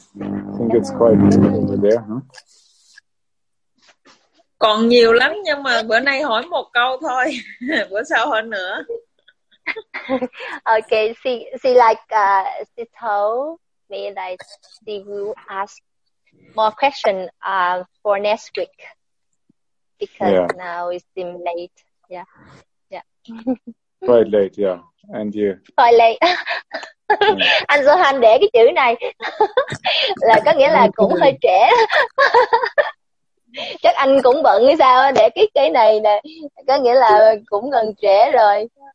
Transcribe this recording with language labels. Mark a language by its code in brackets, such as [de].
[en] I think it's quite easy over there, huh? [vi] Còn nhiều lắm nhưng mà bữa nay hỏi một câu thôi. Bữa sau hỏi nữa. [en] Okay, see like she told me that she will ask more question for next week because now it's been late. Yeah. Quite late, yeah. And you? Quite late. [vi] Anh Johan để cái chữ này là có nghĩa là cũng hơi trễ. Chắc anh cũng bận hay sao để cái này nè, có nghĩa là cũng gần trễ rồi.